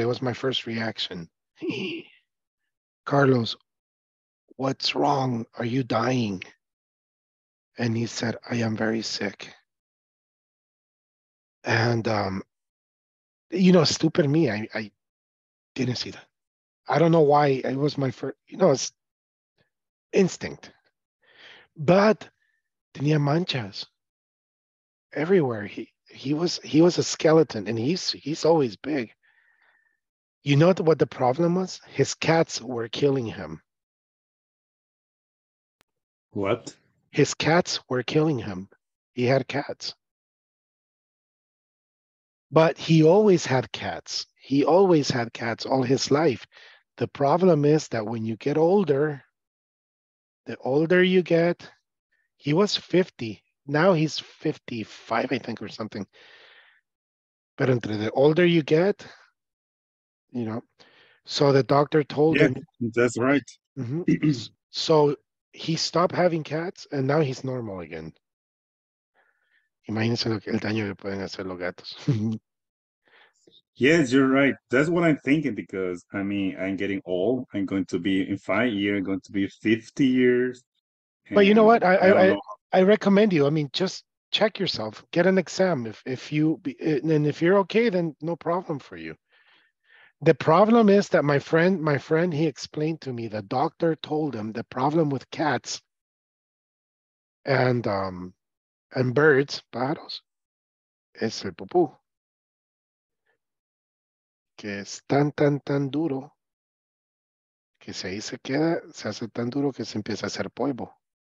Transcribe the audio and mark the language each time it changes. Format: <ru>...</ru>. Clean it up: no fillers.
<en>It was my first reaction. Carlos, what's wrong? Are you dying? And he said, I am very sick. And, you know, stupid me, I didn't see that. I don't know why it was my first, you know, it's instinct. But</en> <es>tenía manchas</es> <en>everywhere. He was a skeleton, and he's always big. You know what the problem was? His cats were killing him. What? His cats were killing him. He had cats. But he always had cats. He always had cats all his life. The problem is that when you get older, the older you get, he was 50. Now he's 55, I think, or something. But entre the older you get, you know, so the doctor told him. That's right. Mm-hmm. So he stopped having cats, and now he's normal again.</en> <es>Imagínense lo que el daño que pueden hacer los gatos.</es> <en>Yes, you're right. That's what I'm thinking, because, I mean, I'm getting old. I'm going to be, in 5 years, I'm going to be 50 years. But you know what? I recommend you. I mean, just check yourself. Get an exam. If you're okay, then no problem for you. The problem is that my friend, he explained to me, the doctor told him the problem with cats and birds,</en> <es>pájaros, es el pupú. Que es tan, tan, tan duro que si ahí se queda, se hace tan duro que se empieza a hacer polvo.</es>